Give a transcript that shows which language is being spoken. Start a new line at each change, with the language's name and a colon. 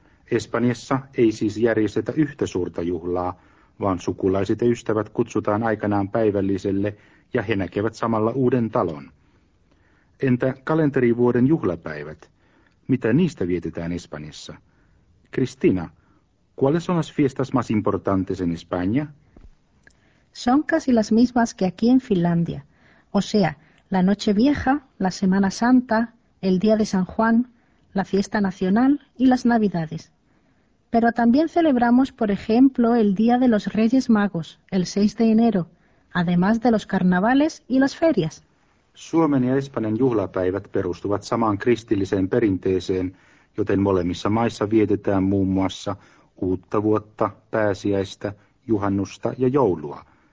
Finnish: Espanjassa ei siis järjestetä yhtä suurta juhlaa, vaan sukulaiset ja ystävät kutsutaan aikanaan päivälliselle ja he näkevät samalla uuden talon. Entä kalenterivuoden juhlapäivät? Mitä niistä vietetään Espanjassa?
Spanish: Cristina, ¿cuáles son las fiestas más importantes en España? Son casi las mismas que aquí en Finlandia, o sea, la Nochevieja, la Semana Santa, el Día de San Juan, la Fiesta Nacional y las Navidades. Pero también celebramos, por ejemplo, el Día de los Reyes Magos, el 6 de enero, además de los carnavales y las ferias.
Finnish: Suomen ja Espanjan juhlapäivät perustuvat samaan kristilliseen perinteeseen, joten molemmissa maissa vietetään muun muassa uutta vuotta, pääsiäistä, juhannusta ja joulua.